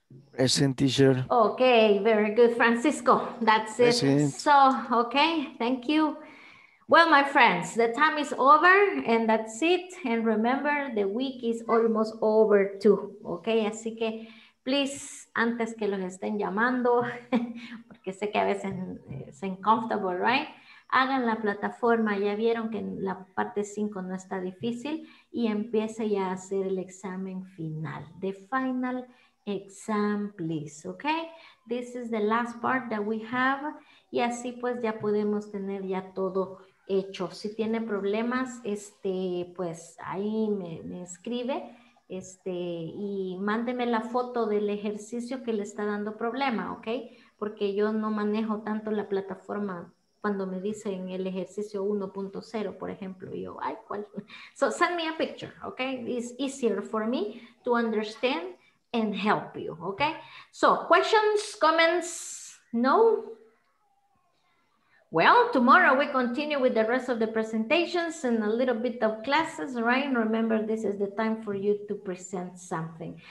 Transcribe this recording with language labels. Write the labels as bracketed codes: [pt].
[en] Present, teacher. Okay, very good, Francisco. That's it. Present. So, okay, thank you. Well, my friends, the time is over and that's it. And remember, the week is almost over too. [es] Okay, así que, please, antes que los estén llamando, porque sé que a veces es uncomfortable, right? Hagan la plataforma, ya vieron que la parte 5 no está difícil y empiece ya a hacer el examen final, [en] the final exam, please, okay? This is the last part that we have [es] y así pues ya podemos tener ya todo hecho. Si tiene problemas, pues ahí me escribe y mándeme la foto del ejercicio que le está dando problema, okay? Porque yo no manejo tanto la plataforma. Cuando me dicen el ejercicio 1.0, por ejemplo, yo, ay, ¿cuál? [en] So send me a picture, okay? It's easier for me to understand and help you, okay? So questions, comments, no? Well, tomorrow we continue with the rest of the presentations and a little bit of classes, right? Remember, this is the time for you to present something.